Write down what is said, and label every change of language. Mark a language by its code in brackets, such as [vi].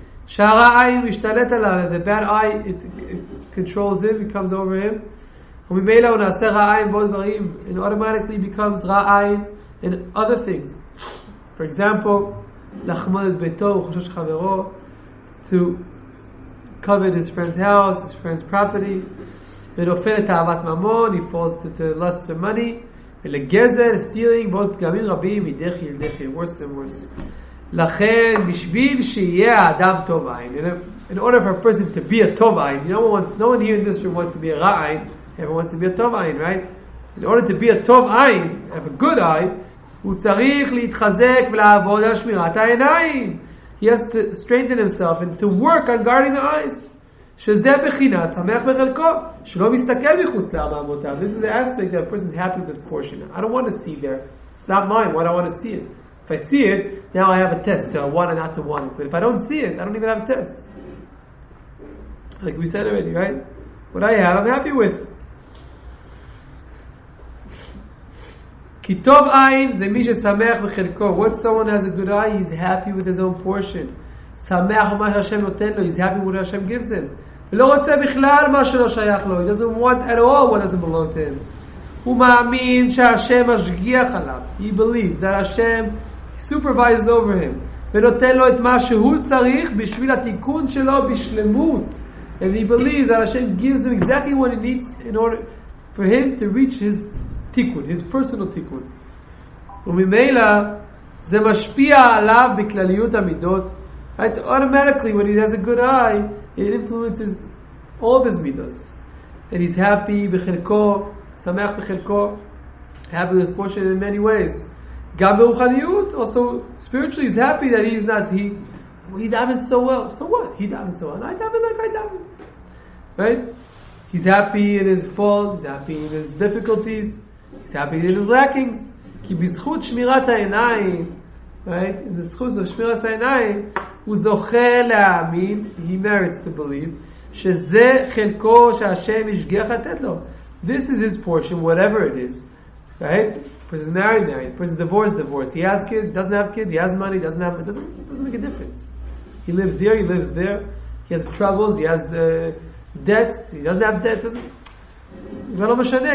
[he] שערה עין משתלט עליו, [en] the bad eye, it controls him, it comes over him. [he] וממילא הוא נעשה רע עין בו דברים, [en] and automatically becomes [he] רע עין [en] in other things. For example, [he] לחמוד את ביתו, הוא חושב שחברו, [en] to covet his friend's house, his friend's property, [he] ונופל את אהבת ממון, [en] he falls to the lust of money, [he] ולגזל, [en] stealing, [he] בעוד פגמים רבים, מדחי אל דחי, [en] worse and worse. [he] לכן, בשביל שיהיה האדם טוב עין, [en] in order for a person to be a tov ayin, no one here in this room wants to be a ra ayin. Everyone wants to be a tov ayin, right? In order to be a tov ayin, have a good eye, [he] הוא צריך להתחזק ולעבוד על שמירת העיניים. [en] He has to strengthen himself and to work on guarding the eyes. [he] שזה בחינת שמח בחלקו, שלא מסתכל מחוץ לארבע אמותיו. [en] This is the aspect that a person is happy with this portion. I don't want to see there. It's not mine. Why do I want to see it? If I see it, now I have a test to want or not to want it. But if I don't see it, I don't even have a test. Like we said already, right? What I have, I'm happy with. [he] כי טוב עין זה מי ששמח בחלקו. [en] What someone has a good eye, he's happy with his own portion. [he] שמח במה שהשם נותן לו, [en] he's happy with what Hashem gives him. [he] ולא רוצה בכלל מה שלא שייך לו. [en] He doesn't want at all what doesn't belong to him. [he] הוא מאמין שהשם משגיח עליו. [en] He believes that Hashem supervises over him. [he] ונותן לו את מה שהוא צריך בשביל התיקון שלו בשלמות. [en] And he believes that Hashem gives him exactly what he needs in order for him to reach his תיקון, his personal תיקון. [he] וממילא, זה משפיע עליו בכלליות המידות. [en] Right? Automatically, when he has a good eye, it influences all of his midos. And he's happy בחלקו, [he] שמח בחלקו, [en] happy with his portion in many ways. [he] גם ברוחניות, [en] also spiritually, he's happy that he's not, he davened so well. So what? He davened so well. And I davened like I davened. Right? He's happy in his faults, he's happy in his difficulties. He's happy in his lackings. [he] כי בזכות שמירת העיניים, [en] right? In the schools of [he] שמירת העיניים, הוא זוכה להאמין, [en] he merits to believe, [he] שזה חלקו שהשם ישגיח לתת לו. [en] This is his portion, whatever it is. Right? Person married, married. Person divorced, divorced. He has kids, doesn't have kids. He has money, doesn't have... It doesn't make a difference. He lives here, he lives there. He has troubles, he has debts. He doesn't have debt. [he] זה לא משנה.